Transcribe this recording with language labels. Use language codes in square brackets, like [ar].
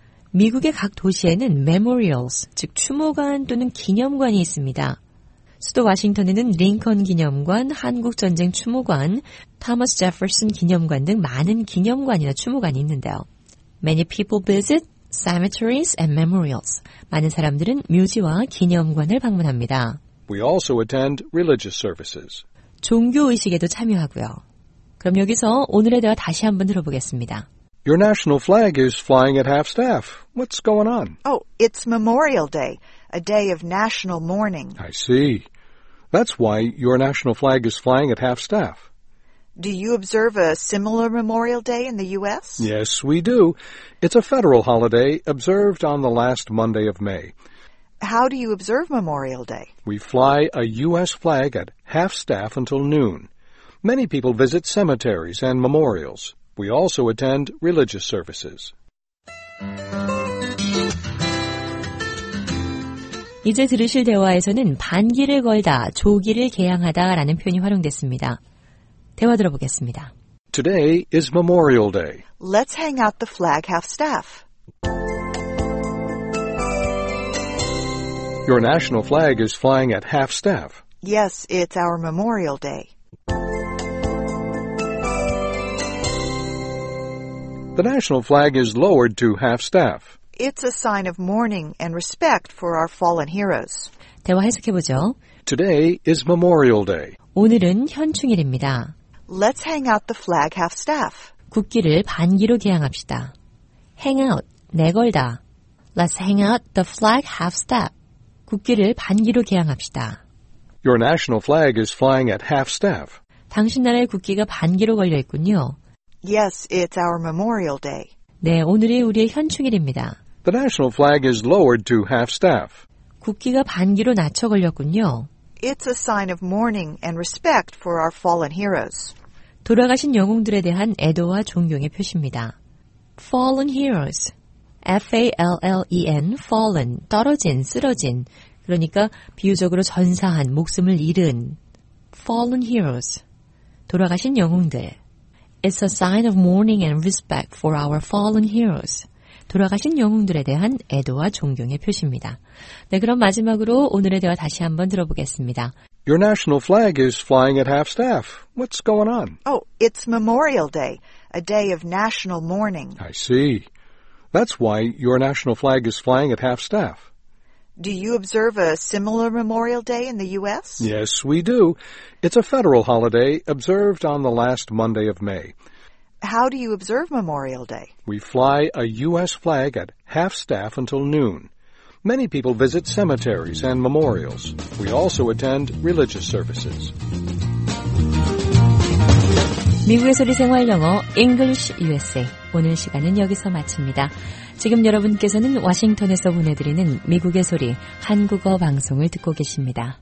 [ko] 미국의 각 도시에는 memorials, 즉 추모관 또는 기념관이 있습니다. 수도 워싱턴에는 링컨 기념관, 한국전쟁 추모관, 토머스 제퍼슨 기념관 등 많은 기념관이나 추모관이 있는데요. [en] Many people visit cemeteries and memorials. [ko] 많은 사람들은 묘지와 기념관을 방문합니다. [en] We also attend religious services. [ko] 종교의식에도 참여하고요. 그럼 여기서 오늘의 대화 다시 한번 들어보겠습니다. [en] Your national flag is flying at half staff. What's going on? Oh, it's Memorial Day, a day of national mourning. I see. That's why your national flag is flying at half staff. Do you observe a similar Memorial Day in the U.S.? Yes, we do. It's a federal holiday observed on the last Monday of May. How do you observe Memorial Day? We fly a U.S. flag at half staff until noon. Many people visit cemeteries and memorials. We also attend religious services. [ko] 이제 들으실 대화에서는 반기를 걸다, 조기를 개항하다 라는 표현이 활용됐습니다. 대화 들어보겠습니다. [en] Today is Memorial Day. Let's hang out the flag half-staff. Your national flag is flying at half-staff. Yes, it's our Memorial Day. The national flag is lowered to half-staff. It's a sign of mourning and respect for our fallen heroes. [ko] 대화 해석해보죠. [en] Today is Memorial Day. [ko] 오늘은 현충일입니다. [en] Let's hang out the flag half-staff. [ko] 국기를 반기로 개항합시다. [en] Hang out, 내걸다. Let's hang out the flag half-staff. [ko] 국기를 반기로 개항합시다. [en] Your national flag is flying at half-staff. [ko] 당신 나라의 국기가 반기로 걸려 있군요. [en] Yes, it's our Memorial Day. [ko] 네, 오늘이 우리의 현충일입니다. [en] The national flag is lowered to half-staff. [ko] 국기가 반기로 낮춰 걸렸군요. [en] It's a sign of mourning and respect for our fallen heroes. [ko] 돌아가신 영웅들에 대한 애도와 존경의 표시입니다. Fallen heroes. [en] F-A-L-L-E-N, fallen, 떨어진, 쓰러진. [ko] 그러니까 비유적으로 전사한, 목숨을 잃은. Fallen heroes. 돌아가신 영웅들. [en] It's a sign of mourning and respect for our fallen heroes. [ko] 돌아가신 영웅들에 대한 애도와 존경의 표시입니다. 네, 그럼 마지막으로 오늘의 대화 다시 한번 들어보겠습니다. [en] Your national flag is flying at half staff. What's going on? Oh, it's Memorial Day, a day of national mourning. I see. That's why your national flag is flying at half staff. Do you observe a similar Memorial Day in the U.S.? Yes, we do. It's a federal holiday observed on the last Monday of May. How do you observe Memorial Day? We fly a U.S. flag at half-staff until noon. Many people visit cemeteries and memorials. We also attend religious services. [ko] 미국의 소리 생활 영어 English USA 오늘 시간은 여기서 마칩니다. 지금 여러분께서는 워싱턴에서 보내드리는 미국의 소리 한국어 방송을 듣고 계십니다.